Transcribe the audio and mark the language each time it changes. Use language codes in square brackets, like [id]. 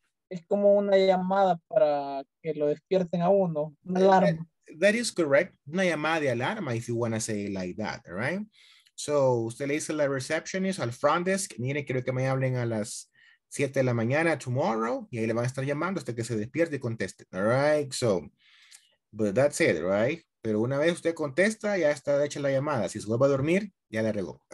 [es] Es como una llamada para que lo despierten a uno. Una alarma. [en] That is correct. [es] Una llamada de alarma, [en] if you want to say it like that. All right. [es] So, usted le dice a la receptionist, al front desk, mire, quiero que me hablen a las 7 de la mañana, [en] tomorrow, [es] y ahí le van a estar llamando hasta que se despierte y conteste. [en] All right, so, but that's it, right? [es] Pero una vez usted contesta, ya está hecha la llamada. Si se vuelve a dormir, ya la regó.